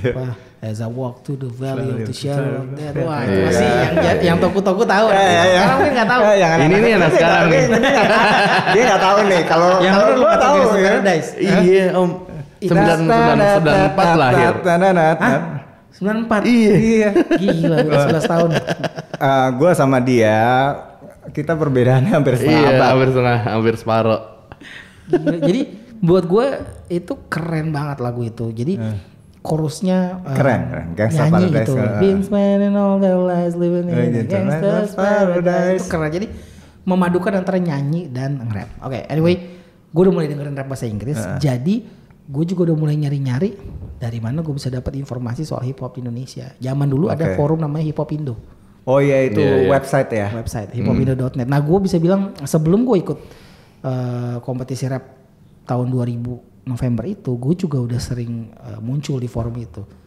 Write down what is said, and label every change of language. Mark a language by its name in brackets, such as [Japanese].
[English] Apa, as I walk to the valley of the shadow of death. [Indonesian] Wah itu masih yang toku-toku tahu. Sekarang gue gak tahu. Ini yang sekarang nih. Dia gak tahu nih. Kalau yang lu gak tau Gangsta Paradise. Iya om. 1994 lahir. 94? Iya. Gila, udah 11 tahun. Gue sama dia, kita perbedaannya hampir setengah. Iya, hampir separo. Jadi buat gue itu keren banget lagu itu. Jadi chorusnya keren. Gangsta nyanyi Paradise gitu. [English] Been spending all their lives living in Gangsta's Paradise. [Indonesian] Itu keren. Jadi memadukan antara nyanyi dan nge-rap. Oke, okay, anyway. Gue udah mulai dengerin rap bahasa Inggris. Jadi gue juga udah mulai nyari-nyari dari mana gue bisa dapat informasi soal hip hop di Indonesia. Zaman dulu ada forum namanya Hip Hop Indo. Oh iya itu website ya. Website hiphopindo.net. Nah gue bisa bilang sebelum gue ikut kompetisi rap tahun 2000 November itu, gue juga udah sering muncul di forum itu.